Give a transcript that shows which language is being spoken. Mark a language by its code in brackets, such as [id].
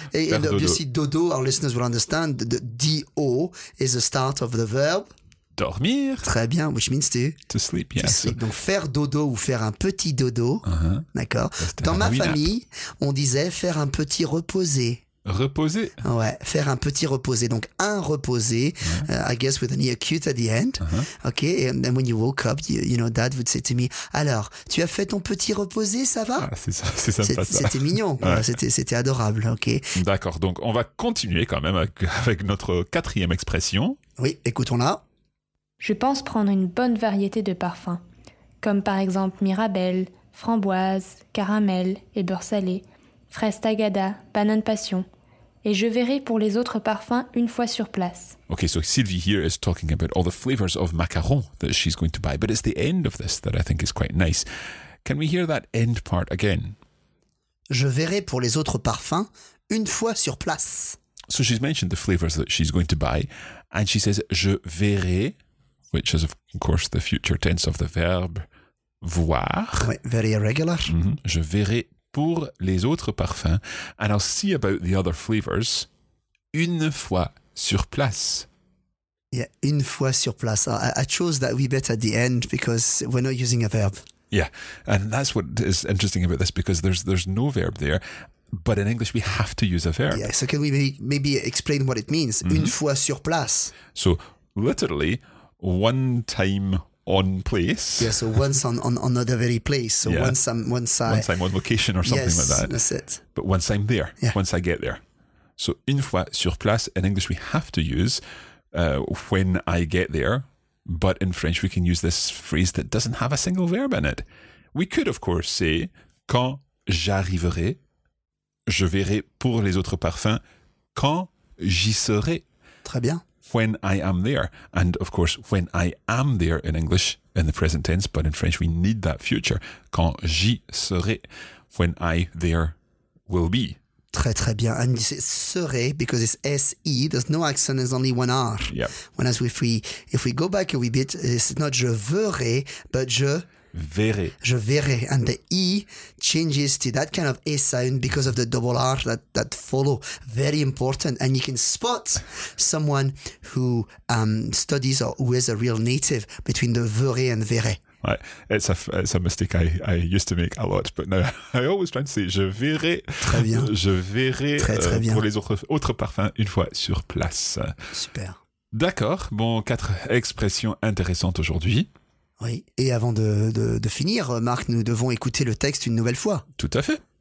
[en] And obviously, dodo, our listeners will understand, the D-O is the start of the verb. [fr] Dormir. Très bien, [en] which means to... To sleep, yes. To sleep. [fr] Donc faire dodo ou faire un petit dodo, d'accord. Dans ma famille, on disait faire un petit reposé. Reposer. Ouais, faire un petit reposé. Donc un reposé, [en] I guess with an ear cute at the end. Uh-huh. Okay, and then when you woke up, you know, dad would say to me, [fr] alors, tu as fait ton petit reposé, ça va? Ah, c'est ça, c'est sympa, c'était mignon, ouais. c'était adorable, okay. D'accord, donc on va continuer quand même avec notre quatrième expression. Oui, écoutons-la. Je pense prendre une bonne variété de parfums, comme par exemple mirabelle, framboise, caramel et beurre salé, fraise tagada, banane passion. Et je verrai pour les autres parfums une fois sur place. [en] Okay, so Sylvie here is talking about all the flavors of macaron that she's going to buy, but it's the end of this that I think is quite nice. Can we hear that end part again? [fr] Je verrai pour les autres parfums une fois sur place. [en] So she's mentioned the flavors that she's going to buy, and she says, [fr] je verrai... [en] Which is, of course, the future tense of the verb voir. Oui, very irregular. Mm-hmm. [fr] Je verrai pour les autres parfums. [en] And I'll see about the other flavors [fr] une fois sur place. Yeah, une fois sur place. [en] I chose that wee bit at the end because we're not using a verb. Yeah, and that's what is interesting about this because there's no verb there. But in English, we have to use a verb. Yeah, so can we maybe explain what it means, mm-hmm. [fr] une fois sur place? [en] So literally... One time on place. Yeah, so once on another very place. So yeah. Once I'm on location or something yes, like that. That's it. But once I'm there, yeah. Once I get there. So une fois sur place, in English we have to use when I get there. But in French we can use this phrase that doesn't have a single verb in it. We could, of course, say [fr] quand j'arriverai, je verrai pour les autres parfums, quand j'y serai. Très bien. [en] When I am there. And of course, when I am there in English, in the present tense, but in French, we need that future. [fr] Quand j'y serai, [en] when I there will be. [fr] Très, très bien. [en] And you say serai, because it's S-E, there's no accent, there's only one R. Yeah. Whereas if we go back a wee bit, it's not [fr] je verrai, [en] but je... [fr] Verrai. Je verrai. [en] And the E changes to that kind of A sound because of the double R that follow. Very important. And you can spot someone who studies or who is a real native between the verrai and verrai. Right. It's a mistake I used to make a lot, but now I always try to say [fr] je verrai. Très bien. Je verrai très, très bien. Pour les autres parfums une fois sur place. Super. D'accord. Bon, quatre expressions intéressantes aujourd'hui. Oui. Et avant de finir, Marc, nous devons écouter le texte une nouvelle fois. Tout à fait.